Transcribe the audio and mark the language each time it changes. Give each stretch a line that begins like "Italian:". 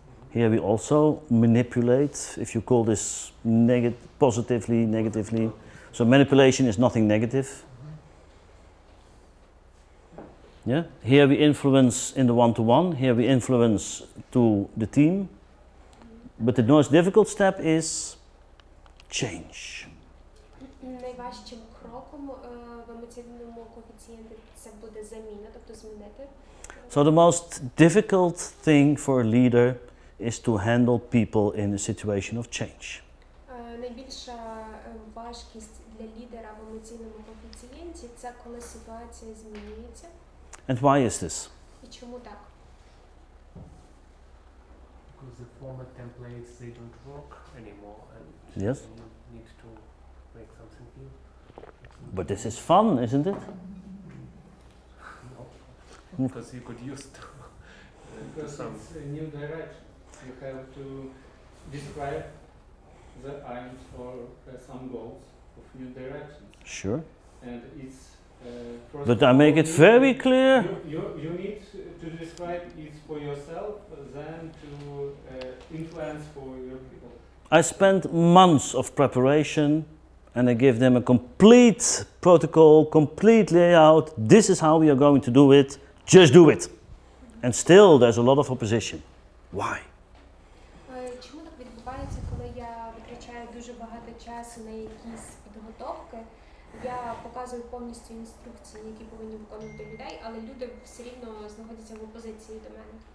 English: Here we also manipulate, if you call this negatively. So manipulation is nothing negative. Yeah, here we influence in the one-to-one, here we influence to the team. But the most difficult step is change.
Ukrainian: Найважчим кроком в емоційному коефіцієнті це буде заміна, тобто змінити.
English: So the most difficult thing for a leader is to handle people in a situation of change.
Ukrainian: Найбільша важкість для лідера в емоційному коефіцієнті це коли ситуація змінюється.
English: And why is this?
Ukrainian: І чому так?
English: Because the former templates, they don't work anymore. And yes. Something. But this is fun, isn't it? No, because you could use to. Because to it's a new direction. You have to describe the aims or some goals of new directions. Sure. And it's. But I make it very clear. You need to describe it for yourself, then to influence for your people. I spent months of preparation. And I give them a complete protocol, complete layout. This is how we are going to do it. Just do it. And still, there's a lot of opposition. Why?
Ukrainian: Чому так відбувається, коли я витрачаю дуже багато часу на якісь підготовки? Я показую повністю інструкції, які повинні виконувати людей, але люди все рівно знаходяться в опозиції до мене.